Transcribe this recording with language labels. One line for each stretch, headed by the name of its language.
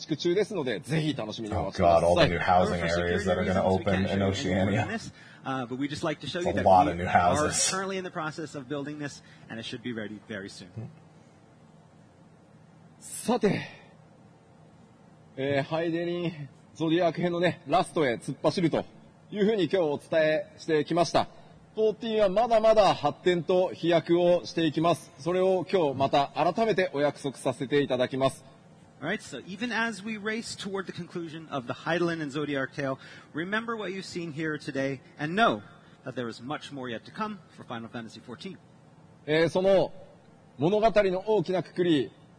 Japanese: まあ、これ以上はね、ちょっとセキュリティの問題もあるので、ちょっとお見せできないんですけど、今まさに絶賛構築中ですので、ぜひ楽しみにお待ちください。
English: Oh god, all the new housing areas that are going to open in Oceania. But we just like to show you that a lot of new houses. We are currently in the process of building this, and it should be ready very soon.
Japanese: さて、ハイデリンゾディアク編のねラストへ突っ走るというふうに今日お伝えしてきました。14はまだまだ発展と飛躍をしていきます。それを今日また改めてお約束させていただきます。
English: Alright, so even as we race toward the conclusion of the Heidelin and Zodiac Tale, remember what you've seen here today, and know that there is much more yet to come for Final Fantasy XIV.
Japanese: その物語の大きな括り。